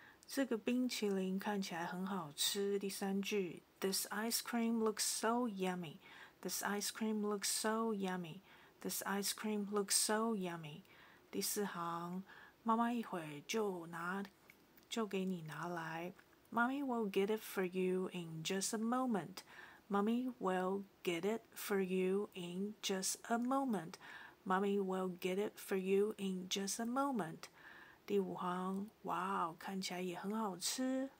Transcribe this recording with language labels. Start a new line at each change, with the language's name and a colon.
Chinese: 这个冰淇淋看起来很好吃。第三句
English: ，This ice cream looks so yummy. This ice cream looks so yummy. This ice cream looks so yummy.
Chinese: 第四行，妈妈一会儿就给你拿来。
English: Mommy will get it for you in just a moment. Mommy will get it for you in just a moment. Mommy will get it for you in just a moment.
Chinese: 第五行，哇哦，看起来也很好吃。